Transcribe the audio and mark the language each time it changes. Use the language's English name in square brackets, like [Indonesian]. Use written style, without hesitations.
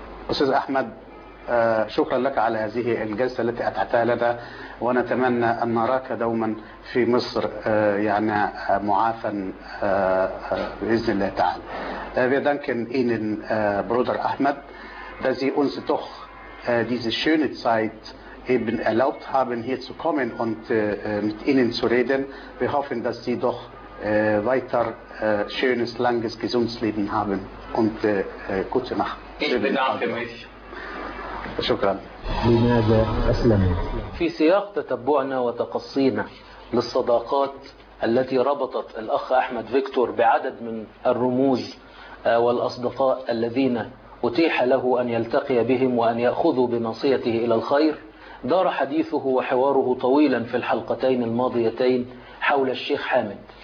[Arabic] أستاذ أحمد، شكرا لك على هذه الجلسة التي أتعتها لنا، ونتمنى أن نراك دوما في مصر يعني معافا بإذن الله تعالى. [German] Wir danken Ihnen, Bruder Ahmed, dass Sie uns doch diese schöne Zeit eben erlaubt haben, hier zu kommen und mit Ihnen zu reden. Wir hoffen, dass Sie doch weiter schönes, langes, gesundes Leben haben und gute Nacht. Ich bedanke mich. [Arabic] شكرا. لماذا أسلم؟ في سياق تتبعنا وتقصينا للصداقات التي ربطت الأخ أحمد فيكتور بعدد من الرموز والأصدقاء الذين أتيح له أن يلتقي بهم وأن يأخذوا بنصيته إلى الخير، دار حديثه وحواره طويلا في الحلقتين الماضيتين حول الشيخ حامد